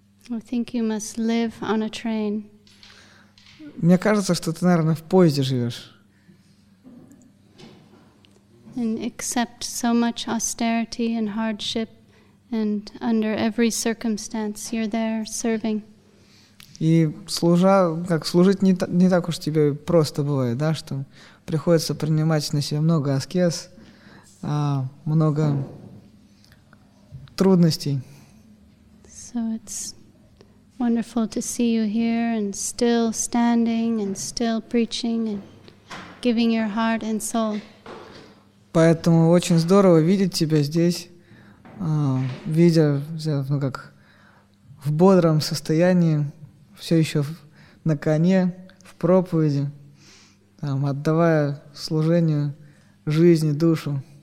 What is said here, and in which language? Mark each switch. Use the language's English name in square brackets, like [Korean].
[English] I think you must live on a train. [Russian] Мне кажется, что ты, наверное, в поезде живешь. [English] And accept so much austerity and hardship, and under every circumstance you're there serving. [Russian] И служить не так уж тебе просто бывает, да, что приходится принимать на себя много аскез, много трудностей. [English] So it's Wonderful to see you here and still standing and still preaching and giving your heart and soul. [Russian] Поэтому очень здорово видеть тебя здесь, видя, ну как, в бодром состоянии, все еще на коне, в проповеди, там, отдавая служению жизни, душу.